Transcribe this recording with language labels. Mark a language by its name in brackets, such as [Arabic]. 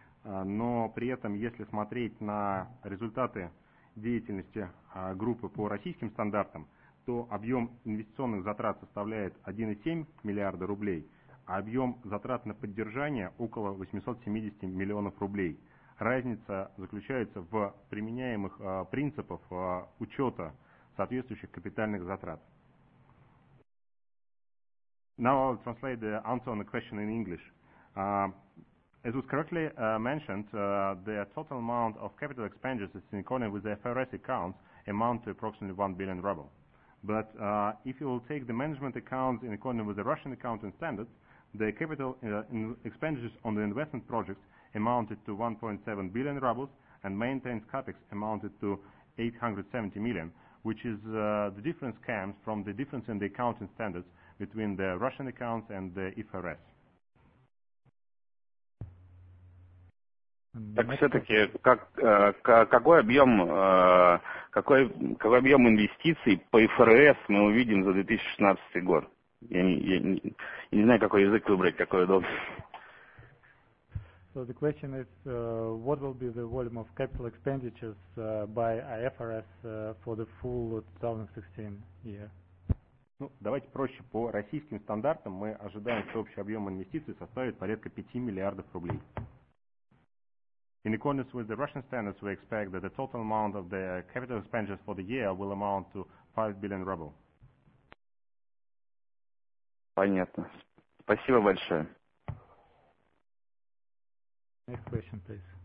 [Russian] Но при этом, если смотреть на результаты деятельности группы по российским стандартам, то объем инвестиционных затрат составляет 1,7 миллиарда рублей, а объем затрат на поддержание около 870 миллионов рублей. Разница заключается в применяемых принципах учета соответствующих капитальных затрат. [English] Now I'll translate the answer on the question in English. As was correctly mentioned, the total amount of capital expenditures in accordance with the IFRS accounts amount to approximately 1 billion ruble. But if you will take the management accounts in accordance with the Russian accounting standards, the capital expenditures on the investment projects amounted to 1.7 billion rubles and maintenance capex amounted to 870 million, which is the difference comes from the difference in the accounting standards between the Russian accounts and the IFRS. [Russian] Так все-таки, какой объем, какой объем инвестиций по ИФРС мы увидим за 2016 год? Я не знаю, какой язык выбрать, какой удобный. [English] So the question is, what will be the volume of capital expenditures by IFRS for the full 2016 year? [Russian] Ну, давайте проще. По российским стандартам мы ожидаем, что общий объем инвестиций составит порядка 5 миллиардов рублей. [English] In accordance with the Russian standards, we expect that the total amount of the capital expenditures for the year will amount to 5 billion ruble. [Russian] Понятно. Спасибо большое. [English] Next question, please.